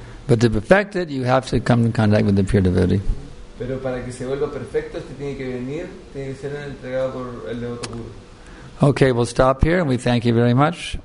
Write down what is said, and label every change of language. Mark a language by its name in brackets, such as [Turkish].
[English] But to perfect it, you have to come in contact with the pure devotee. [Spanish] Pero para que se vuelva perfecto, este tiene que venir, tiene que ser entregado por el devoto puro. [English] Okay, we'll stop here and we thank you very much.